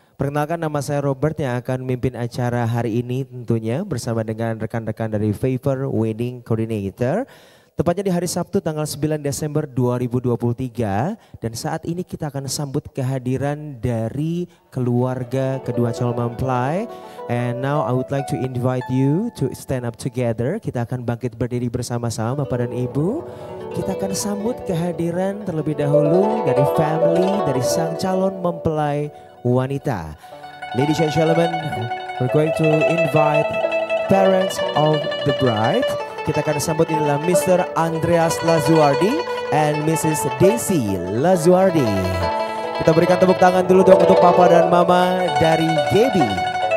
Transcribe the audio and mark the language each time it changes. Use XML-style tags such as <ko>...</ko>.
<id>Perkenalkan, nama saya Robert yang akan memimpin acara hari ini tentunya bersama dengan rekan-rekan dari Favor Wedding Coordinator. Tepatnya di hari Sabtu tanggal 9 Desember 2023. Dan saat ini kita akan sambut kehadiran dari keluarga kedua calon mempelai.</id> <en>And now I would like to invite you to stand up together.</en> <id>Kita akan bangkit berdiri bersama-sama Bapak dan Ibu. Kita akan sambut kehadiran terlebih dahulu dari family, dari sang calon mempelai wanita.</id> <en>Ladies and gentlemen, we're going to invite parents of the bride.</en> <id>Kita akan sambut inilah Mr. Andreas Lazuardi and Mrs. Daisy Lazuardi. Kita berikan tepuk tangan dulu dong untuk Papa dan Mama dari Gaby.</id>